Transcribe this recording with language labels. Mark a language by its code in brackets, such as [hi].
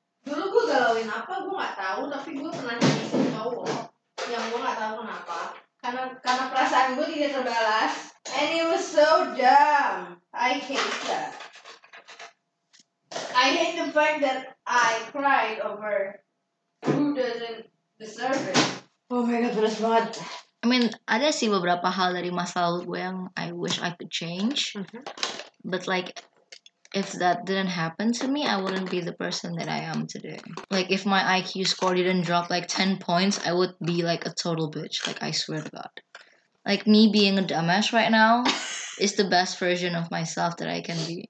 [id] Dulu gue galauin apa, gue gak tahu. Tapi gue pernah nyanyi sama cowok yang gue gak tahu kenapa. Karena perasaan gue tidak terbalas. [en] And it was so dumb. I hate that. I hate the fact that I cried over who doesn't deserve it. Oh my god, [id] beres banget. [en] I mean, [id] ada sih beberapa hal dari masa lalu gue yang [en] I wish I could change. But like, if that didn't happen to me, I wouldn't be the person that I am today. Like, if my IQ score didn't drop like 10 points, I would be like a total bitch. Like, I swear to God. Like, me being a dumbass right now is the best version of myself that I can be.